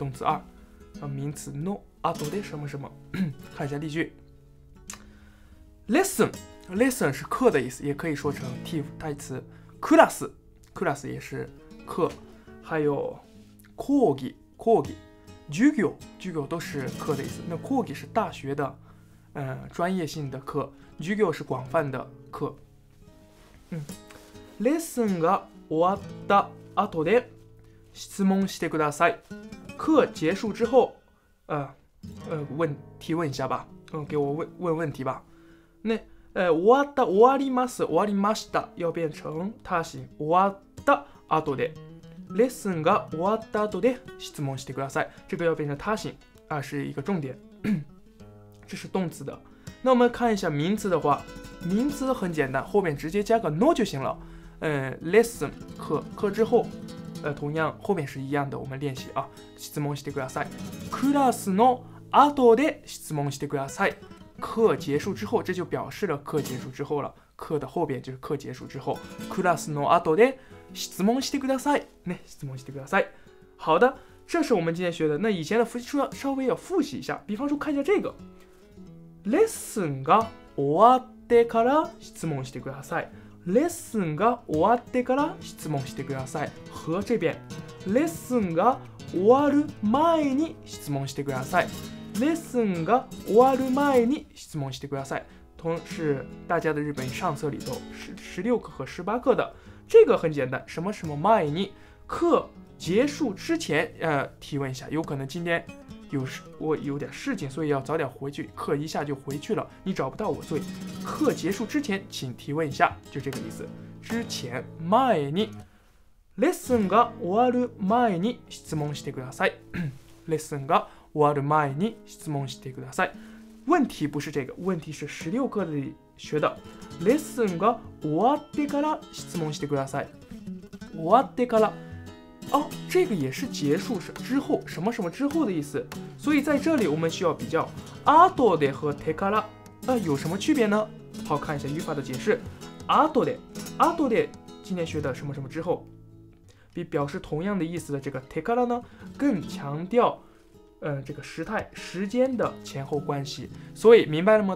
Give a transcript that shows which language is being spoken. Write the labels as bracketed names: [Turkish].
[Chinese] 动词二，名词 no 啊，都得什么什么。看一下例句， listen listen 是课的意思，也可以说成替代词 class class 也是课，还有講義講義授業授業都是课的意思，那講義是大学的专业性的课，授業是广泛的课。 [Japanese] レッスンが終わった後で質問してください， [Chinese] 课结束之后问提问一下吧，给我问问题吧。那終わった終わります終わりました要变成他形， [Japanese] 終わった後でレッスンが終わった後で質問してください， [Chinese] 这个要变成他形啊，是一个重点。这是动词的。那我们看一下名词的话，名词很简单，后面直接加个 no 就行了。 lesson 课，课之后，同样后面是一样的，我们练习啊。 [Japanese] 質問してください。クラスの後で質問してください。 [Chinese] 课结束之后，这就表示了课结束之后了。课的后边就是课结束之后。 [Japanese] クラスの後で質問してください。ね、質問してください。 [Chinese] 好的，这是我们今天学的。那以前的复习书稍微要复习一下，比方说看一下这个。 [Japanese] レッスンが終わってから質問してください。レッスンが終わってから質問してください。 [Chinese] 和这边。 [Japanese] レッスンが終わる前に質問してください。レッスンが終わる前に質問してください。 [Chinese] 同是大家的日本上册里头16课和18课的。这个很简单，什么什么前に，课结束之前提问一下，有可能今天我有点事情，所以要早点回去，课一下就回去了，你找不到我，所以课结束之前请提问一下，就这个意思。之前 [Japanese] 前にレッスンが終わる前に質問してください。レッスンが終わる前に質問してください。 [Chinese] 问题不是这个，问题是16课里学的。 [Japanese] レッスンが終わってから質問してください。終わってから， [Chinese] 哦，这个也是结束之后，什么什么之后的意思。所以在这里我们需要比较あとで和てから，有什么区别呢？好，看一下语法的解释。あとで，あとで，今天学的什么什么之后，比表示同样的意思的这个てから呢，更强调，这个时态时间的前后关系。所以明白了吗？